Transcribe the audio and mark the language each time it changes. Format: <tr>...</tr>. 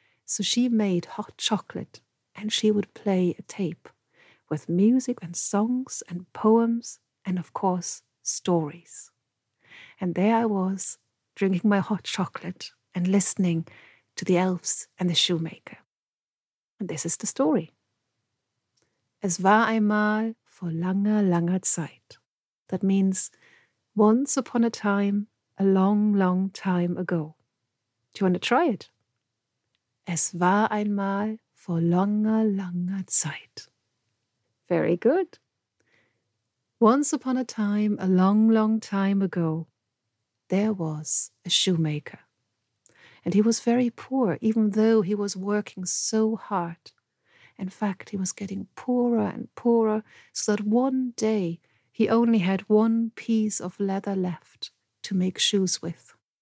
<en>So she made hot chocolate and she would play a tape with music and songs and poems and, of course, stories. And there I was, drinking my hot chocolate and listening to the Elves and the Shoemaker. And this is the story.</en> <de>Es war einmal vor langer, langer Zeit.</de> <en>That means once upon a time, a long, long time ago. Do you want to try it?</en> <de>Es war einmal vor langer, langer Zeit.</de> <en>Very good. Once upon a time, a long, long time ago, there was a shoemaker. And he was very poor, even though he was working so hard. In fact, he was getting poorer and poorer, so that one day he only had one piece of leather left to make shoes with.</en>